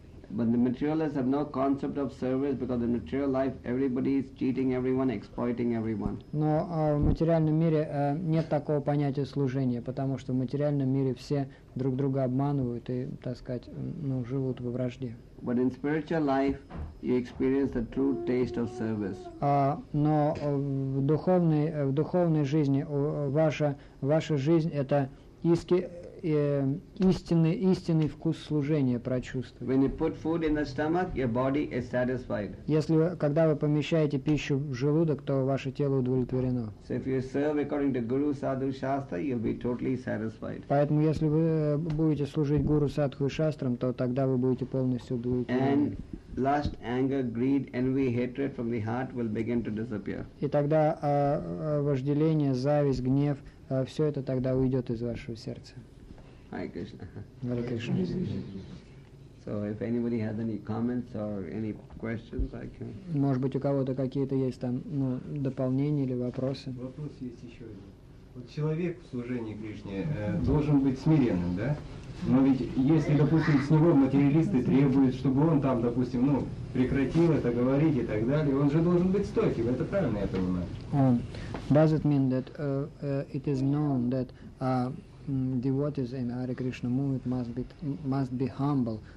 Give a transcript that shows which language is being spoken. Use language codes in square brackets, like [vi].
[en] But the materialists have no concept of service because in material life everybody is cheating everyone, exploiting everyone. [ru] Но в материальном мире нет такого понятия служения, потому что в материальном мире все друг друга обманывают и, так сказать, ну, живут во вражде. [en] But in spiritual life you experience the true taste of service. [ru] Но в духовной жизни ваша жизнь — это истинный вкус служения прочувствовать. [en] When you put food in the stomach, your body is satisfied. [ru] Когда вы помещаете пищу в желудок, то ваше тело удовлетворено. [en] So if you serve according to Guru, Sadhu, Shastra, you'll be totally satisfied. [ru] Поэтому если вы будете служить Гуру, Садху и Шастрам, то тогда вы будете полностью удовлетворены. [en] And lust, anger, greed, envy, hatred from the heart will begin to disappear. [ru] И тогда вожделение, зависть, гнев, все это тогда уйдет из вашего сердца. [en] Hare Krishna. Hare Krishna. So if anybody has any comments or any questions, I can. [ru] Может быть, у кого-то какие-то есть там, ну, дополнения или вопросы? Вопрос есть еще один. Вот человек в служении Кришне должен быть смиренным, да? Но ведь если, допустим, с него материалисты требуют, чтобы он там, допустим, ну, прекратил это говорить и так далее, он же должен быть стойким, это правильно я понимаю? [en] Does it mean that it is known that devotees in Hare Krishna movement must be humble?